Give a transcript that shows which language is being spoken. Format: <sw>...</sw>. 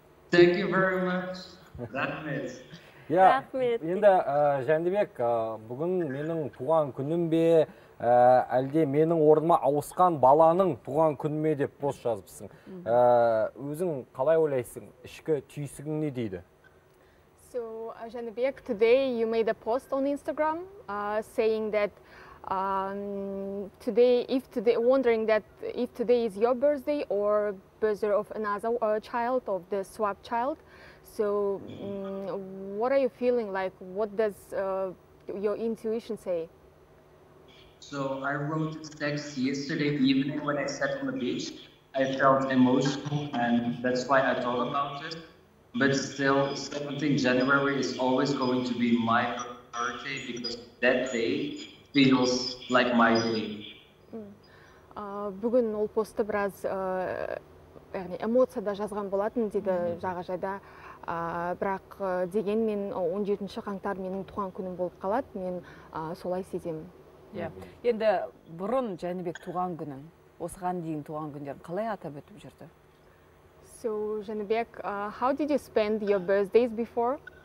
<en>Thank you very much.</en> <kk>Рахмет. Рахмет. Енді Жәнібек, бүгін менің туған күнім бе, әлде менің орныма ауысқан баланың туған күніме деп пост жазыпсың. Өзің қалай ойлайсың? Ішкі түйсігің не дейді?</kk> <en>So, Жәнібек, today you made a post on Instagram saying that wondering if today is your birthday or birthday of another child of the swap child. So, what are you feeling like? What does your intuition say? So I wrote this text yesterday evening when I sat on the beach. I felt emotional and that's why I thought about it. But still, 17 January is always going to be my birthday because that day feels like my day.</en> <kk>Бүгін ол посты біраз эмоцияда жазған болатын деді жағажайда. Бірақ дегенмен 17 қаңтар менің туған күнім болып қалады. Мен солай сеземін. Енді бұрын Жәнібек туған күнін, осыған дейін туған күндерін қалай атап өтіп жүрді?</kk> <en>So, Жәнібек, how did you spend your birthdays before?</en>